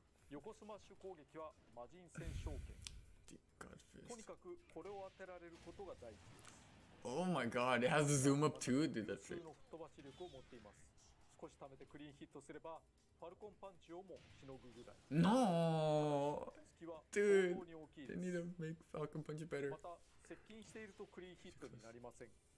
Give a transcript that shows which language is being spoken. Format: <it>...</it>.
<ja>横スマッシュ攻撃は魔人戦勝券。</ja> <en>Godfist.</en> <ja>とにかくこれを当てられることが大事です。</ja> <en>Oh my god, it has a zoom up too. Dude, that's it.</en> <ja>吹っ飛ばし力を持っています。少し貯めてクリーンヒットすればファルコンパンチをもしのぐぐらい。</ja> <en>No! Dude, they need to make Falcon Punch better.</en> <ja>また接近しているとクリーンヒットになりません。</ja>